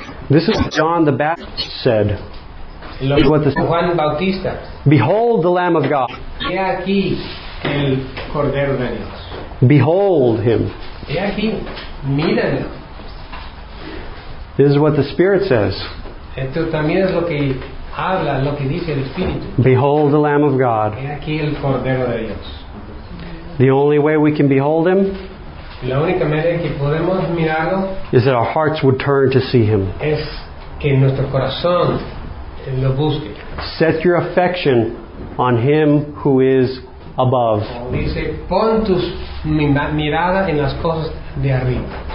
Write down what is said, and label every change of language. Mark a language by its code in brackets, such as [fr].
[en] This is what John the Baptist said. [es] Juan Bautista. [en] Behold the Lamb of God. [es] He aquí el Cordero de Dios. [en] Behold him. [es] He aquí, mírenlo. [en] This is what the Spirit says. [es] Esto también es lo que habla, lo que dice el Espíritu. [en] Behold the Lamb of God. [es] He aquí el Cordero de Dios. [en] The only way we can behold him, [es] la única manera que podemos mirarlo, [en] is that our hearts would turn to see him. [es] Es que nuestro corazón lo busque. [en] Set your affection on him who is above. [es] Dice, pon tu mirada en las cosas de arriba.